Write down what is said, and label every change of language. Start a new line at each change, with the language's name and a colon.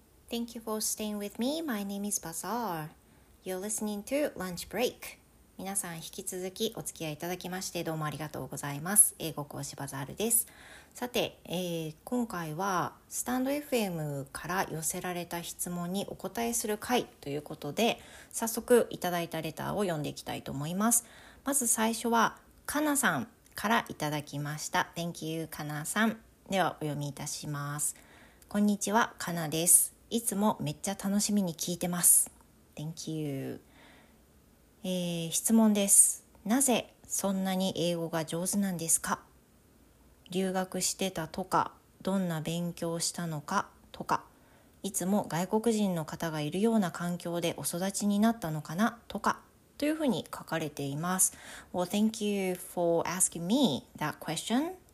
English: Thank you for staying with me. My name is Bazaar. You're listening to Lunch Break.
Japanese: 皆さん引き続きお付き合いいただきましてどうもありがとうございます。英語講師バザールです。さて、今回はスタンド FM から寄せられた質問にお答えする回ということで、早速いただいたレターを読んでいきたいと思います。まず最初はかなさんからいただきました。
English: Thank you,
Japanese: かなさん。ではお読みいたします。こんにちは、かなです。いつもめっちゃ楽しみに聞いてます。
English: Thank you.
Japanese: 質問です。なぜそんなに英語が上手なんですか？留学してたとか、どんな勉強したのかとか、いつも外国人の方がいるような環境でお育ちになったのかなとか、というふうに書かれています。
English: Well, thank you for asking me that question.